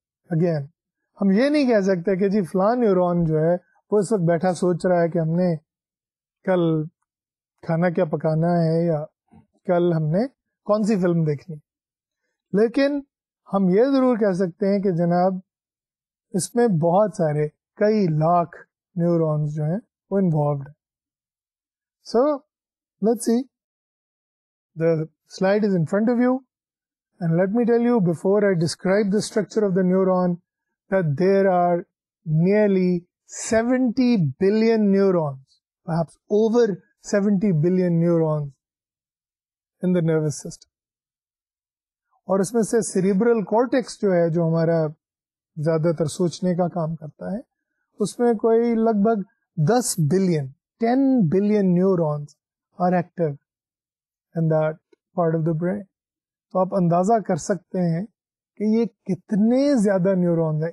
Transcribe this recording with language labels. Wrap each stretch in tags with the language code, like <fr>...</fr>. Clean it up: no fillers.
<ur>Again, ہم یہ نہیں کہہ سکتے کہ جی فلان نیورون جو ہے وہ اس وقت بیٹھا سوچ رہا ہے کہ ہم نے کل کھانا کیا پکانا ہے، یا کل ہم نے کون سی فلم دیکھنی. لیکن ہم یہ ضرور کہہ سکتے ہیں کہ جناب اس میں بہت سارے، کئی لاکھ نیورونز جو ہیں وہ انوالوڈ ہیں.</ur> <en>So let's see, the slide is in front of you, and let me tell you before I describe the structure of the neuron that there are nearly 70 billion neurons, perhaps over 70 billion neurons in the nervous system.</en> <ur>اور اس میں سے cerebral cortex جو ہے، جو ہمارا زیادہ تر سوچنے کا کام کرتا ہے، اس میں کوئی لگ بھگ 10 billion neurons</ur> <en>Are active in that part of the brain.</en> <ur>تو آپ اندازہ کر سکتے ہیں کہ یہ کتنے زیادہ نیورونز ہیں.</ur>